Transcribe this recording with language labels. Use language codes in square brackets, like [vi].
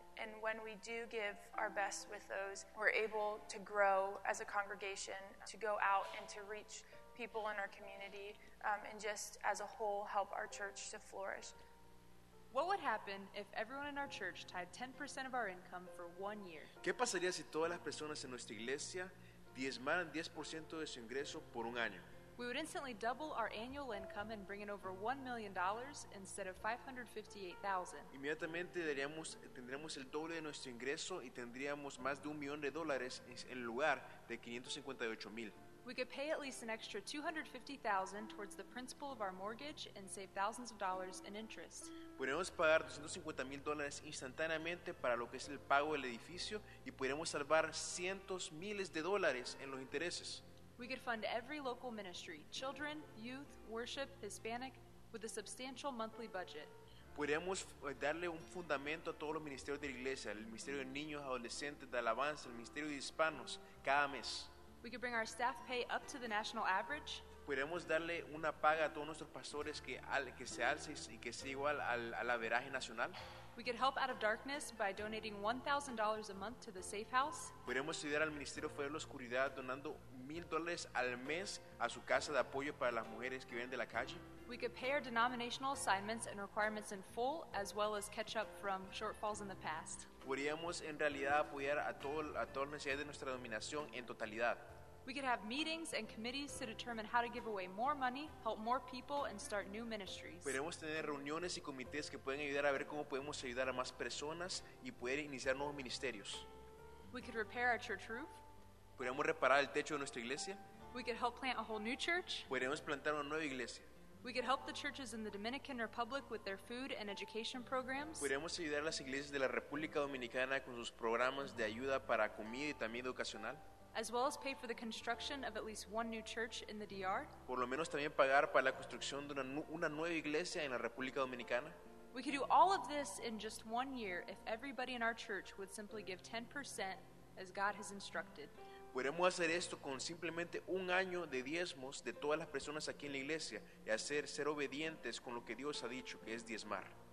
[en] And when we do give our best with those, we're able to grow as a congregation, to go out and to reach people in our community, and just as a whole help our church to flourish. What would happen if everyone in our church tithed 10% of our income for 1 year? [es] ¿Qué pasaría si todas las personas en nuestra iglesia diezmaran 10% de su ingreso por un año? [en] We would instantly double our annual income and bring in over $1 million instead of $558,000. [es] Inmediatamente tendríamos el doble de nuestro ingreso y tendríamos más de $1 million en lugar de 558,000. [en] We could pay at least an extra $250,000 towards the principal of our mortgage and save thousands of dollars in interest. [es] Podríamos pagar $250,000 instantáneamente para lo que es el pago del edificio y podríamos salvar cientos miles de dólares en los intereses. [en] We could fund every local ministry, children, youth, worship, Hispanic, with a substantial monthly budget. [es] Podríamos darle un fundamento a todos los ministerios de la iglesia, el ministerio de niños, adolescentes, de alabanza, el ministerio de hispanos, cada mes. [en] We could bring our staff pay up to the national average. [es] Podemos darle una paga a todos nuestros pastores que se alce y que sea igual al average nacional. [en] We could help out of darkness by donating $1,000 a month to the Safe House. [es] Podemos ayudar al Ministerio Fuera de la Oscuridad donando $1,000 al mes a su casa de apoyo para las mujeres que vienen de la calle. [en] We could pay our denominational assignments and requirements in full, as well as catch up from shortfalls in the past. [es] Podríamos en realidad apoyar a todas las necesidades de nuestra denominación en totalidad. [en] We could have meetings and committees to determine how to give away more money, help more people, and start new ministries. [es] Podríamos tener reuniones y comités que pueden ayudar a ver cómo podemos ayudar a más personas y poder iniciar nuevos ministerios. [en] We could repair our church roof. [es] Podríamos reparar el techo de nuestra iglesia. [en] We could help plant a whole new church. [es] Podríamos plantar una nueva iglesia. [en] We could help the churches in the Dominican Republic with their food and education programs. [es] Podríamos ayudar a las iglesias de la República Dominicana con sus programas de ayuda para comida y también educacional. [en] As well as pay for the construction of at least one new church in the DR. [es] Por lo menos también pagar para la construcción de una nueva iglesia en la República Dominicana. [en] We could do all of this in just 1 year if everybody in our church would simply give 10% as God has instructed. [es] Podríamos hacer esto con simplemente un año de diezmos de todas las personas aquí en la iglesia y hacer ser obedientes con lo que Dios ha dicho, que es diezmar.